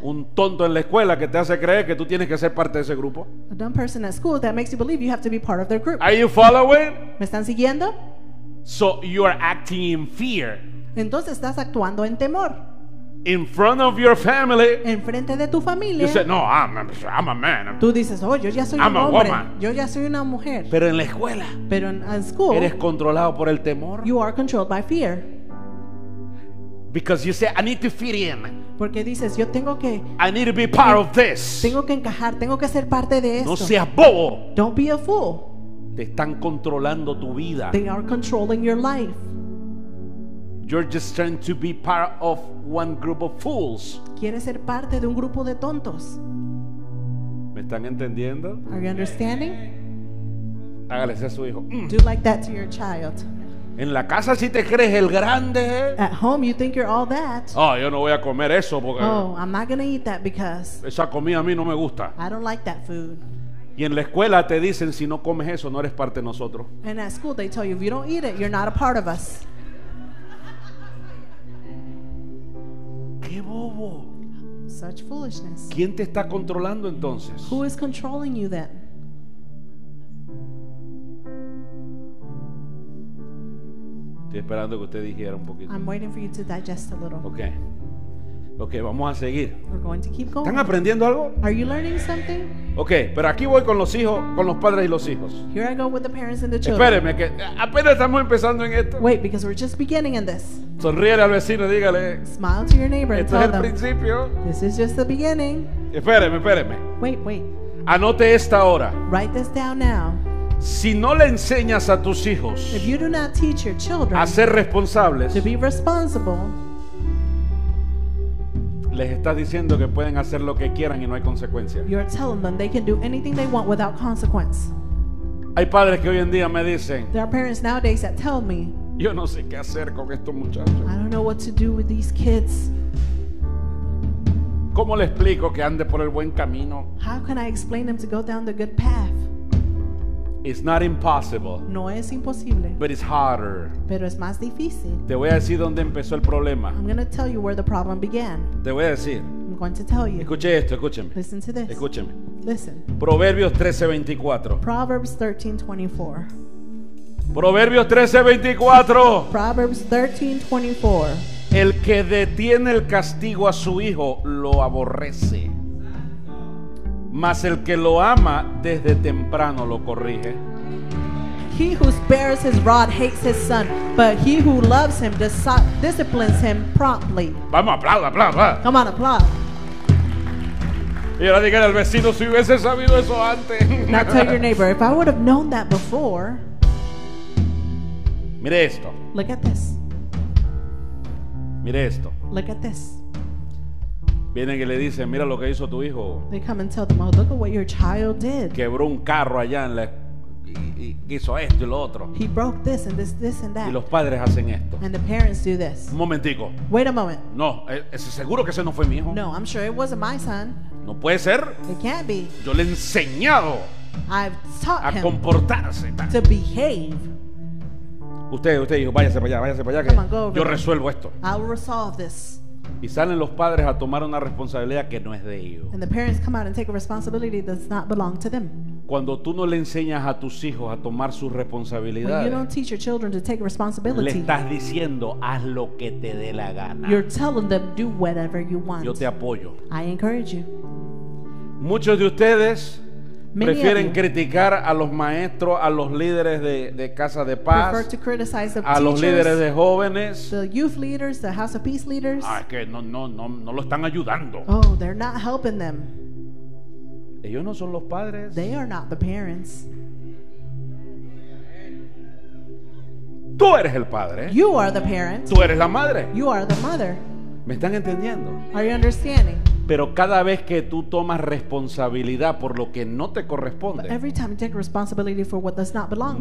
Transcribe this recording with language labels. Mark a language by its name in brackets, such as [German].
[Spanish] Un tonto en la escuela que te hace creer que tú tienes que ser parte de ese grupo. [English] A dumb person at school that makes you believe you have to be part of their group. Are you following? [Spanish] ¿Me están siguiendo? [English] So you are acting in fear. [Spanish] Entonces estás actuando en temor. [English] In front of your family. [Spanish] En frente de tu familia. [English] You say, no, I'm a man. [Spanish] Tú dices, oh, yo ya soy [English] I'm [Spanish] un hombre. [English] A woman. [Spanish] Yo ya soy una mujer. Pero en la escuela. Pero en school. Eres controlado por el temor. [English] You are controlled by fear. Because you say I need to fit in. [Spanish] Porque dices yo tengo que. [English] I need to be part of this. [Spanish] Tengo que encajar, tengo que ser parte de esto. No seas bobo. [English] Don't be a fool. [Spanish] Te están controlando tu vida. [English] They are controlling your life. You're just trying to be part of one group of fools. [Spanish] Quieres ser parte de un grupo de tontos. ¿Me están entendiendo? [English] Are you understanding? [Spanish] Hágale a su hijo. [English] Do like that to your child. [Spanish] En la casa si te crees el grande. [English] At home you think you're all that. [Spanish] Oh, yo no voy a comer eso porque. [English] Oh, I'm not gonna eat that because. [Spanish] Esa comida a mí no me gusta. [English] I don't like that food. [Spanish] Y en la escuela te dicen si no comes eso no eres parte de nosotros. [English] And at school they tell you if you don't eat it you're not a part of us. [Spanish] Qué bobo. [English] Such foolishness. [Spanish] ¿Quién te está controlando entonces? [English] Who is controlling you then? [Spanish] Estoy esperando que usted dijera un poquito. [English] I'm waiting for you to digest a little. [Spanish] Okay. Okay, vamos a seguir. [English] We're going to keep going. [Spanish] ¿Están aprendiendo algo? [English] Are you learning something? [Spanish] Okay, pero aquí voy con los hijos, con los padres y los hijos. [English] Here I go with the parents and the children. [Spanish] Espéreme, que apenas estamos empezando en esto. [English] Wait, because we're just beginning in this. [Spanish] Sonríele al vecino, dígale. [English] Smile to your neighbor and tell them. [Spanish] Esto es el principio. [English] This is just the beginning. [Spanish] Espéreme, espéreme. [English] Wait, wait. [Spanish] Anote esta hora. [English] Write this down now. [Spanish] Si no le enseñas a tus hijos, [English] if you do not teach your children, [Spanish] a ser responsables, [English] to be responsible, [Spanish] les estás diciendo que pueden hacer lo que quieran y no hay consecuencia. [English] You're telling them they can do anything they want without consequence. [Spanish] Hay padres que hoy en día me dicen, [English] there are parents nowadays that tell me, [Spanish] yo no sé qué hacer con estos muchachos. [English] I don't know what to do with these kids. [Spanish] ¿Cómo le explico que ande por el buen camino? [English] How can I explain them to go down the good path? It's not impossible. [Spanish] No es imposible. [English] But it's harder. [Spanish] Pero es más difícil. Te voy a decir dónde empezó el problema. [English] I'm going to tell you where the problem began. [Spanish] Te voy a decir. [English] I'm going to tell you. [Spanish] Escuche esto, escúcheme. [English] Listen to this. [Spanish] Escúcheme. [English] Listen. [Spanish] Proverbios 13:24. [English] Proverbs 13:24. [Spanish] Proverbios 13:24. [English] Proverbs 13:24. [Spanish] El que detiene el castigo a su hijo lo aborrece. Mas el que lo ama desde temprano lo corrige. [English] He who spares his rod hates his son, but he who loves him disciplines him promptly. [Spanish] Vamos, aplauda, aplauda. [English] Come on, applaud. [Spanish] Y ahora diga al vecino si hubiese sabido eso antes. [English] Now tell your neighbor, if I would have known that before. [Spanish] Mire esto. [English] Look at this. [Spanish] Mire esto. [English] Look at this. [Spanish] Vienen y le dicen, mira lo que hizo tu hijo. [English] They come and tell them, oh, look at what your child did. [Spanish] Quebró un carro allá en la y hizo esto y lo otro. [English] He broke this and this and that. [Spanish] Y los padres hacen esto. [English] And the parents do this. [Spanish] Un momentico. [English] Wait a moment. [Spanish] No, seguro que ese no fue mi hijo. [English] No, I'm sure it wasn't my son. [Spanish] No puede ser. [English] It can't be. [Spanish] Yo le he enseñado. [English] I've taught him [Spanish] a comportarse. [English] To behave. [Spanish] Usted dijo, váyase para allá, que [English] come on, go over [Spanish] yo resuelvo [English] there. [Spanish] Esto. [English] I'll resolve this. [Spanish] Y salen los padres a tomar una responsabilidad que no es de ellos. [English] And the parents come out and take a responsibility that does not belong to them. [Spanish] Cuando tú no le enseñas a tus hijos a tomar sus responsabilidades, [English] when you don't teach your children to take responsibility, [Spanish] le estás diciendo haz lo que te dé la gana. [English] You're telling them do whatever you want. [Spanish] Yo te apoyo. [English] I encourage you. [Spanish] Muchos de ustedes [English] many [Spanish] prefieren criticar a los maestros, a los líderes de Casa de Paz, [English] prefer to criticize the [Spanish] a los líderes de jóvenes, [English] the youth leaders, the House of Peace leaders. [Spanish] Ah, que no lo están ayudando. [English] Oh, they're not helping them. [Spanish] Ellos no son los padres. [English] They are not the parents. [Spanish] Tú eres el padre. [English] You are the parent. [Spanish] Tú eres la madre. [English] You are the mother. [Spanish] ¿Me están entendiendo? [English] Are you understanding? [Spanish] Pero cada vez que tú tomas responsabilidad por lo que no te corresponde, [English] but every time you take responsibility for what does not belong